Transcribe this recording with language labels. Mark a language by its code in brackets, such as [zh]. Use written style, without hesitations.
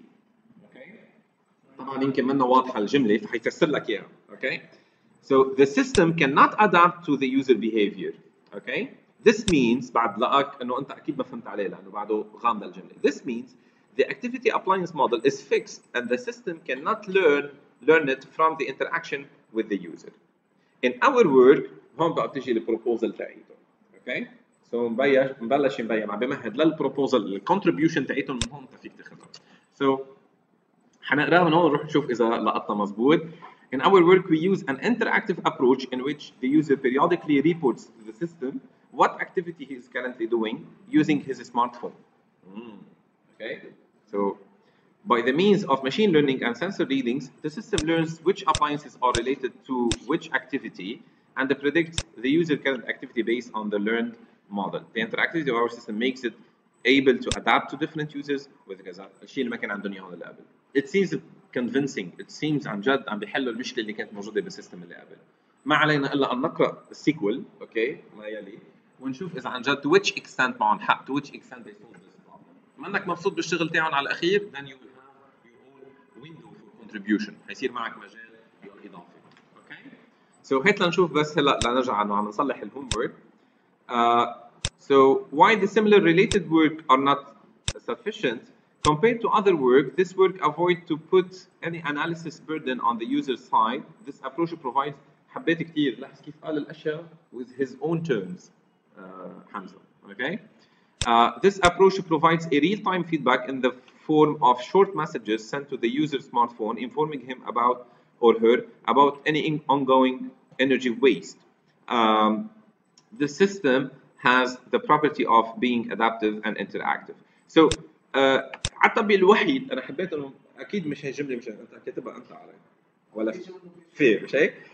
[ar] اوكي طبعا يمكن منه واضحه الجمله فحيفسر لك اياها. [en] Okay so the system cannot adapt to the user behavior. [ar] اوكي this means بعد لقك انه انت اكيد ما فهمت عليه لانه بعده غامض الجمله. [en] This means the activity appliance model is fixed and the system cannot learn it from the interaction with the user. [ar] In our work, هون بقى بتجي البروبوزل تاعيتهم. اوكي سو مبلش مبين عم بمهد للبروبوزل الكونتريبيوشن تاعيتهم من هون تفيك تاخذها. سو حنقراها من هون نروح نشوف اذا لقطها مضبوط. [en] In our work, we use an interactive approach in which the user periodically reports to the system what activity he is currently doing using his smartphone. Okay, so by the means of machine learning and sensor readings, the system learns which appliances are related to which activity and predicts the user current activity based on the learned model. The interactivity of our system makes it able to adapt to different users with الشيء اللي ما كان عندهم اياه قبل. [ar] It seems convincing. It seems عن جد عم بيحلوا المشكله اللي كانت موجوده بالسيستم اللي قبل. ما علينا الا ان نقرا السيكول، اوكي؟ ما يلي ونشوف اذا عن جد to which extent they solve this problem. [en] منك مبسوط بالشغل تاعهم على الاخير، then you will have your own window for contribution. [ar] حيصير معك مجال للاضافه. اوكي؟ سو هات لنشوف بس هلا لنرجع انه عم نصلح الهوم وورك. [en] So why the similar related work are not sufficient compared to other work? This work avoids to put any analysis burden on the user's side. This approach provides [ar] حبيت كثير لاحظ كيف قال الأشياء with his own terms حمزة. [en] Okay. This approach provides a real-time feedback in the form of short messages sent to the user's smartphone informing him about or her about any ongoing energy waste. The system has the property of being adaptive and interactive. [ar] So, حتى بالوحيد أنا حبيت أنه أكيد مش هالجملة مش أنت كتبها أنت علي ولا في مش هيك.